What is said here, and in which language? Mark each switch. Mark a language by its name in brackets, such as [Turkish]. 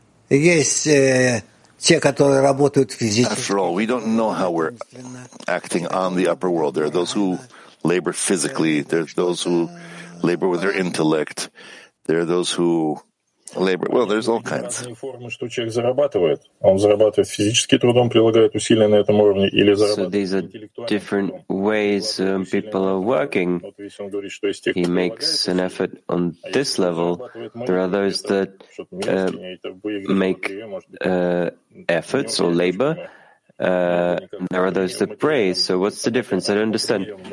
[Russian] Есть те, которые работают физически. [English] After all, we don't know how we're acting on the upper world. There are those who labor physically. There's those who labor with their intellect. There are those who labor. Well, there's all kinds. [Russian] Что человек зарабатывает? Он зарабатывает физически трудом, прилагает усилия на этом уровне, или зарабатывает? [English] So these are different ways people are working. He makes an effort on this level. There are those that make efforts or labor. There are those that pray. So what's the difference? I don't understand.